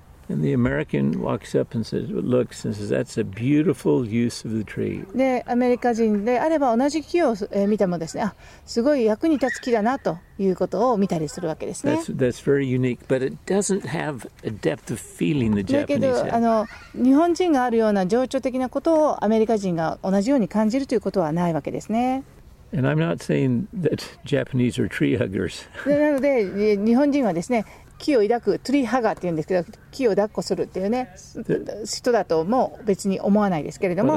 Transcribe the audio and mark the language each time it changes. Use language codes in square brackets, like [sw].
[en] And the American walks up and says, looks and says, that's a beautiful use of the tree. [ja] で、アメリカ人であれば同じ木を見てもですね、あ、すごい役に立つ木だなということを見たりするわけですね。 [en] That's very unique, but it doesn't have a depth of feeling the Japanese have. [ja] だけど、日本人があるような情緒的なことをアメリカ人が同じように感じるということはないわけですね。 [en] And I'm not saying that Japanese are tree huggers. [ja] なので、日本人はですね、木を抱くトゥリーハガーって言うんですけど、木を抱っこするっていうね、人だとも別に思わないですけれども。